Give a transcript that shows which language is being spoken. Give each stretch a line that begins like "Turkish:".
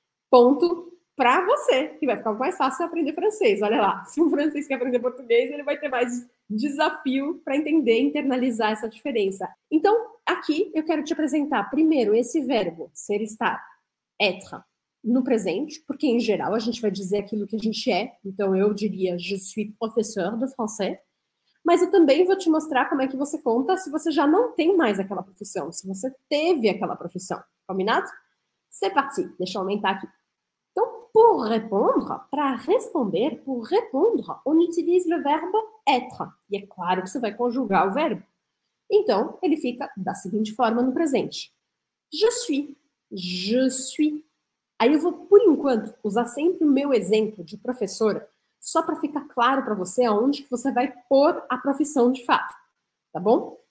Portuguese: Ponto para você, que vai ficar mais fácil aprender francês. Olha lá, se um francês quer aprender português, ele vai ter mais desafio para entender e internalizar essa diferença. Então, aqui eu quero te apresentar primeiro esse verbo ser, estar, être, no presente, porque em geral a gente vai dizer aquilo que a gente é. Então eu diria
French: je suis professeur de français.
Portuguese: Mas eu também vou te mostrar como é que você conta se você já não tem mais aquela profissão, se você teve aquela profissão. Combinado?
French: C'est parti.
Portuguese: Deixa eu aumentar aqui.
French: Então, pour répondre,
Portuguese: para responder,
French: pour répondre, on utilise le verbe être.
Portuguese: E é claro que você vai conjugar o verbo. Então, ele fica da seguinte forma no presente.
French: Je suis. Je suis.
Portuguese: Aí eu vou, por enquanto, usar sempre o meu exemplo de professora, só para ficar claro para você aonde que você vai pôr a profissão de fato. Tá bom?